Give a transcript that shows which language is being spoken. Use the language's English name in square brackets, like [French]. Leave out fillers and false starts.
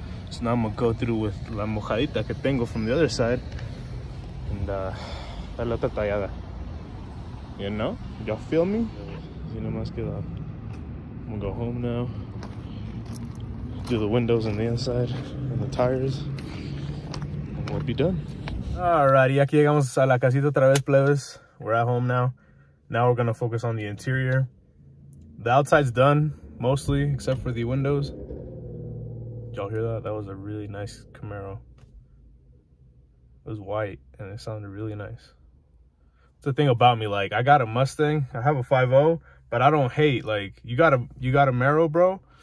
[English] So now I'm gonna go through with [Spanish] la mojadita que tengo [English] from the other side. And [Spanish] la otra tallada. [English] You know? Y'all feel me? Yeah. I'm gonna go home now. Do the windows on the inside and the tires. And we'll be done. Alrighty, [Spanish] aquí llegamos a la casita otra vez, plebes. [English] We're at home now. Now we're gonna focus on the interior. The outside's done, mostly, except for the windows. Did y'all hear that? That was a really nice Camaro. It was white and it sounded really nice. It's the thing about me, like, I got a Mustang, I have a 5.0, but I don't hate, like, you got a Marrow, bro?